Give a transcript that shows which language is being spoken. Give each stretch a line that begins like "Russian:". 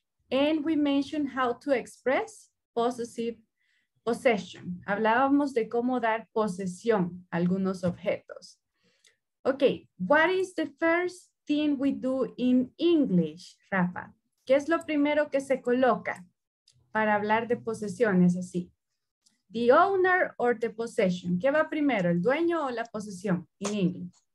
English: And we mentioned how to express possessive possession.
Spanish: Hablábamos de cómo dar posesión a algunos objetos.
English: Okay, what is the first thing we do in English, Rafa?
Spanish: ¿Qué es lo primero que se coloca para hablar de posesiones así?
English: The owner or the possession.
Spanish: ¿Qué va primero, el dueño o la posesión in English?